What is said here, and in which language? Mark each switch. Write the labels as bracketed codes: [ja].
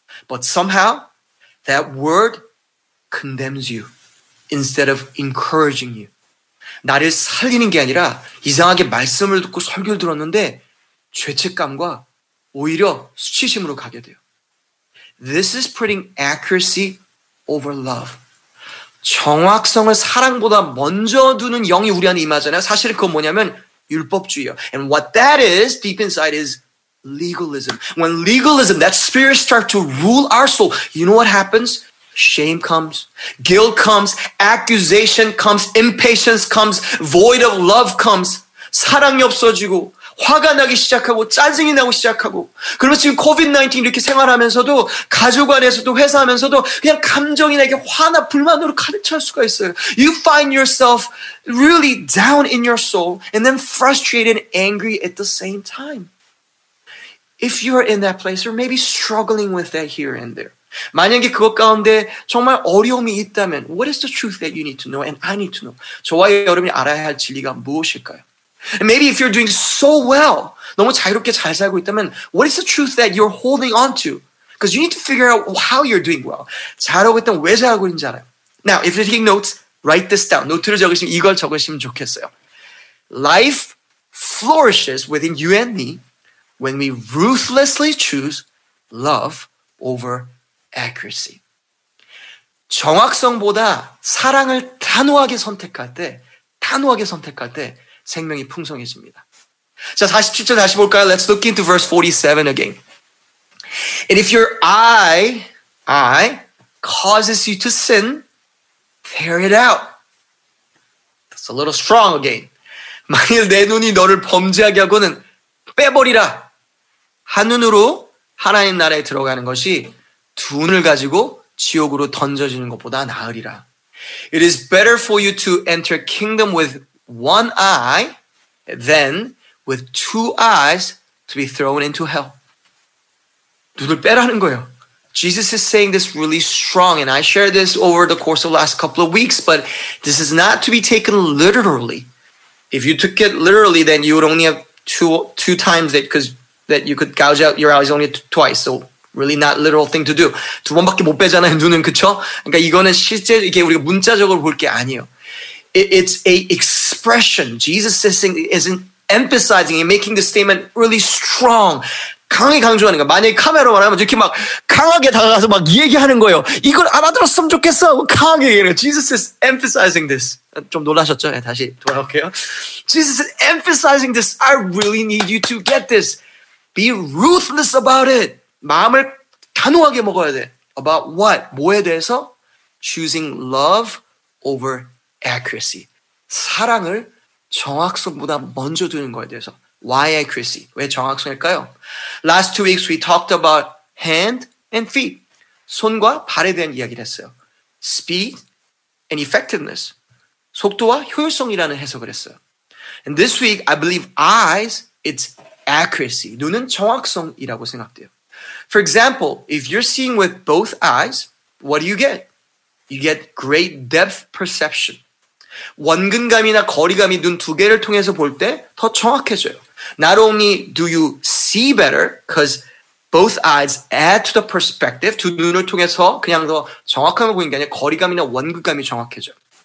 [en] But somehow, that word condemns you instead of encouraging you. [ko] 나를 살리는 게 아니라 이상하게 말씀을 듣고 설교를 들었는데 죄책감과 오히려 수치심으로 가게 돼요. [en] This is putting accuracy over love. [ko] 정확성을 사랑보다 먼저 두는 영이 우리 안에 임하잖아요. 사실은 그건 뭐냐면 율법주의예요. [en] And what that is deep inside is legalism. When legalism, that spirit starts to rule our soul, you know what happens? Shame comes, guilt comes, accusation comes, impatience comes, void of love comes. [ko] 사랑이 없어지고 화가 나기 시작하고 짜증이 나고 시작하고 그러면 지금 COVID-19 이렇게 생활하면서도 가족 안에서도 회사하면서도 그냥 감정이나 이게 화나 불만으로 가득 찰 수가 있어요. [en] You find yourself really down in your soul and then frustrated and angry at the same time. If you are in that place or maybe struggling with that here and there. [ko] 만약에 그것 가운데 정말 어려움이 있다면 [en] what is the truth that you need to know and I need to know? [ko] 저와 여러분이 알아야 할 진리가 무엇일까요? [en] And maybe if you're doing so well, [ko] 너무 자유롭게 잘 살고 있다면 [en] what is the truth that you're holding on to? Because you need to figure out how you're doing well. [ko] 잘하고 있다면 왜 잘하고 있는지 알아요. [en] Now, if you're taking notes, write this down. [ko] 노트를 적으시면 이걸 적으시면 좋겠어요. [en] Life flourishes within you and me when we ruthlessly choose love over accuracy. [ko] 정확성보다 사랑을 단호하게 선택할 때, 단호하게 선택할 때 생명이 풍성해집니다. 자, 47절 다시 볼까요? [en] Let's look into verse 47 again. And if your eye causes you to sin, tear it out. That's a little strong again. [ko] 만일 내 눈이 너를 범죄하게 하고는 빼버리라. 한눈으로 하나님 나라에 들어가는 것이 두 눈을 가지고 지옥으로 던져지는 것보다 나으리라. It is better for you to enter kingdom with one eye than with two eyes to be thrown into hell. 눈을 빼라는 거예요. [en] Jesus is saying this really strong, and I shared this over the course of the last couple of weeks, but this is not to be taken literally. If you took it literally, then you would only have two times it because that you could gouge out your eyes only twice. So really not literal thing to do. [ko] 두 번밖에 못 빼잖아요, 눈은, 그쵸? 그러니까 이거는 실제 이게 우리가 문자적으로 볼 게 아니에요. [en] It's a expression. Jesus is saying, isn't emphasizing and making the statement really strong. [ko] 강하게 강조하는 거야. 만약에 카메라만 하면 이렇게 막 강하게 다가가서 막 얘기하는 거예요. 이걸 알아들었으면 좋겠어. 강하게 얘기하는 거예요. [en] Jesus is emphasizing this. [ko] 좀 놀라셨죠? 네, 다시 돌아올게요. [en] Jesus is emphasizing this. I really need you to get this. Be ruthless about it. [ko] 마음을 단호하게 먹어야 돼. [en] About what? [ko] 뭐에 대해서? [en] Choosing love over accuracy. [ko] 사랑을 정확성보다 먼저 두는 거에 대해서. [en] Why accuracy? [ko] 왜 정확성일까요? [en] Last two weeks we talked about hand and feet. [ko] 손과 발에 대한 이야기를 했어요. [en] Speed and effectiveness. [ko] 속도와 효율성이라는 해석을 했어요. [en] And this week I believe eyes, it's accuracy. [ko] 눈은 정확성이라고 생각돼요. [en] For example, if you're seeing with both eyes, what do you get? You get great depth perception. [ko] 원근감이나 거리감이 눈 두 개를 통해서 볼 때 더 정확해져요. [en] Not only do you see better, because both eyes add to the perspective, [ko] 두 눈을 통해서 그냥 더 정확하게 보이는 게 아니라 거리감이나 원근감이 정확해져요.